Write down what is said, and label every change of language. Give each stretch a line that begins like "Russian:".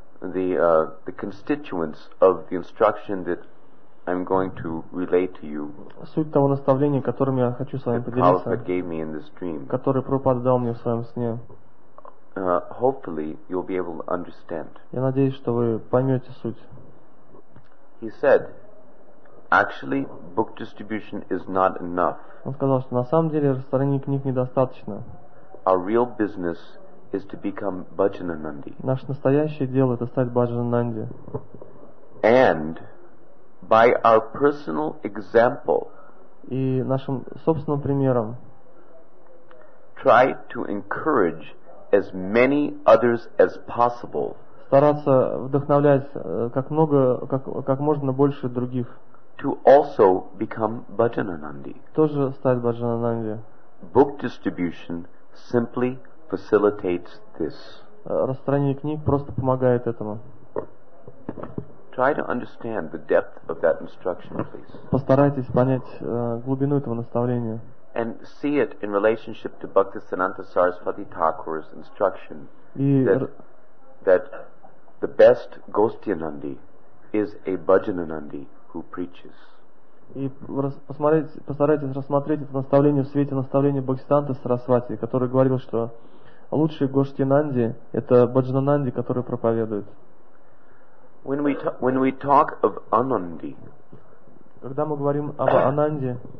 English: The constituents of the instruction that I'm going to relate to you.
Russian: Суть того наставления, которым я хочу с вами поделиться, которое Прабхупада дал мне в своем сне.
English: Hopefully you'll be able to understand.
Russian: Я надеюсь, что вы поймете суть.
English: He said, actually, book distribution is not enough.
Russian: Он сказал, что на самом деле распространение книг недостаточно.
English: Our real business is to become Bhajananandi.
Russian: Наше настоящее дело это стать Бхаджананди.
English: And by our personal example,
Russian: и нашим собственным примером,
English: try to encourage as many others as possible.
Russian: Стараться вдохновлять как много, как можно больше других.
English: To also become Bhajananandi.
Russian: Тоже стать Бхаджананди.
English: Book distribution simply facilitates this.
Russian: Распространение книг просто помогает этому.
English: Try to understand the depth of that instruction, please.
Russian: Постарайтесь понять глубину этого наставления.
English: And see it in relationship to Bhaktisiddhanta Sarasvati Thakur's instruction that the best Gostyanandi is a Bhajananandi who preaches.
Russian: И постарайтесь рассмотреть это наставление в свете наставления Бхактисиддханты Сарасвати, который говорил, что лучший Гоштинанди — это Бхаджананди, который проповедует.
English: When we talk of Ананди,
Russian: когда мы говорим об Ананди,